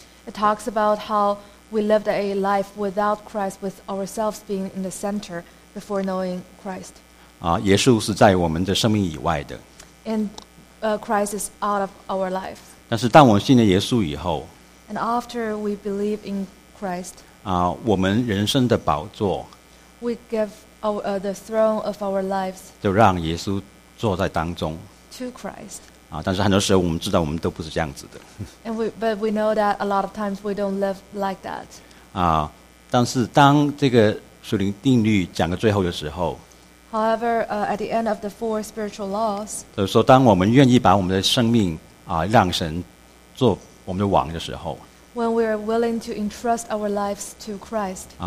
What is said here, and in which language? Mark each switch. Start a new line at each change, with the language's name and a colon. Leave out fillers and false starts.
English: It talks about how we lived a life without Christ, with ourselves being in the center before knowing Christ.
Chinese: 耶稣是在我们的生命以外的。
English: And Christ is out of our life.
Chinese: 但是当我们信了耶稣以后，
English: And after we believe in Christ.
Chinese: 我们人生的宝座
English: We give our, the throne of our lives
Chinese: 就让耶稣坐在当中
English: To Christ
Chinese: 但是很多时候我们知道我们都不是这样子的
English: And we know that a lot of times we don't live like that
Chinese: 但是当这个属灵定律讲到最后的时候
English: However, at the end of the four spiritual laws
Chinese: 就是说当我们愿意把我们的生命 让神做我们的王的时候
English: When we are willing to entrust our lives to Christ,